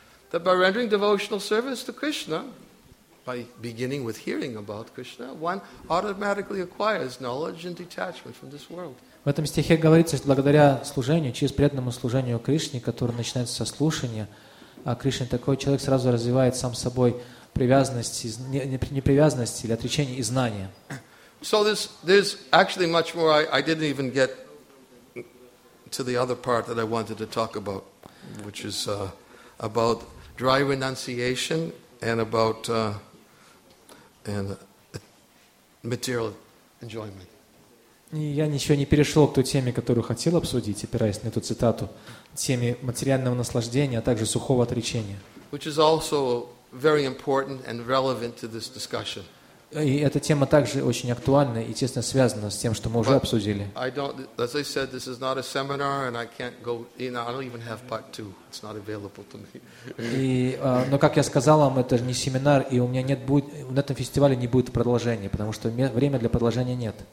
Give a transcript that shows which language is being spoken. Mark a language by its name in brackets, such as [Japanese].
[English] That by rendering devotional service to Krishna, by beginning with hearing about Krishna, one automatically acquires knowledge and detachment from this world. [Russian] В этом стихе говорится, что благодаря служению, через преданному служению Кришне, которое начинается со слушания о Кришне, такой человек сразу развивает сам собой привязанность, не привязанность или отречение и знание. [English] So there's actually much more. I didn't even get to the other part that I wanted to talk about, which is about dry renunciation and about material enjoyment. [Russian] Я ничего не перешел к той теме, которую хотел обсудить, опираясь на эту цитату, теме материального наслаждения, а также сухого отречения. [English] Which is also very important and relevant to this discussion. [Russian] И эта тема также очень актуальна и тесно связана с тем, что мы уже обсудили. [English] As I said, this is not a seminar, and I can't go. You know, I don't even have part two. It's not available to me. [Russian] Но как я сказал вам, это не семинар, и у меня нет будет на этом фестивале не будет продолжения, потому что время для продолжения нет.